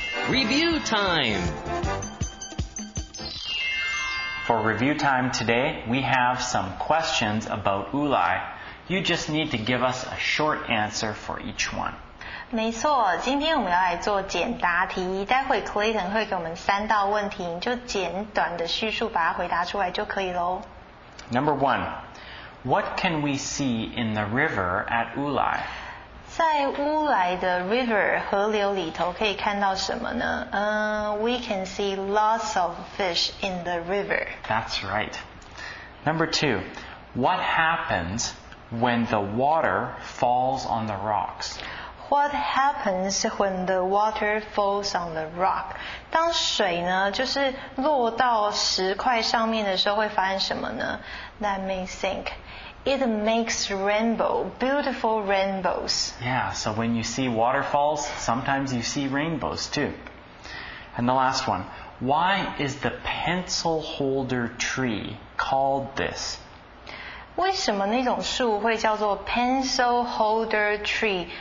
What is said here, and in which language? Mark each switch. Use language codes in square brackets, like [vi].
[en] Review time. For review time today, we have some questions about Wulai. You just need to give us a short answer for each one. [zh] 没错，今天我们要来做简答题。待会 Clayton 会给我们三道问题，你就简短的叙述把它回答出来就可以喽。 [en] Number one, what can we see in the river at Wulai? [zh] 在乌来的 river 河流里头可以看到什么呢？ [en] We can see lots of fish in the river. That's right. Number two, what happens when the water falls on the rocks? What happens when the water falls on the rock? [zh] 当水呢，就是落到石块上面的时候，会发生什么呢？ [en] Let me think. It makes rainbow, beautiful rainbows. Yeah, so when you see waterfalls, sometimes you see rainbows too. And the last one. Why is the pencil holder tree called this? [zh] 为什么那种树会叫做 [en] pencil holder tree?